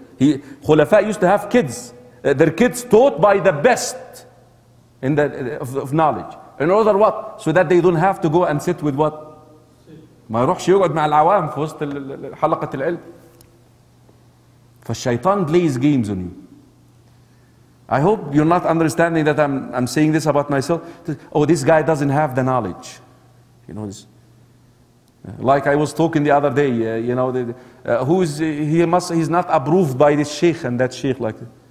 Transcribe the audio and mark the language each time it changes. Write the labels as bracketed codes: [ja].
[en] Khulafa used to have kids. Their kids taught by the best in the, of knowledge. In order what? So that they don't have to go and sit with what? [ar] ما يروحش يقعد مع العوام في وسط حلقة العلم. [en] فالشيطان plays games on you. I hope you're not understanding that I'm saying this about myself. Oh, this guy doesn't have the knowledge. You know, like I was talking the other day, you know, he's not approved by this sheikh and that sheikh. Like that.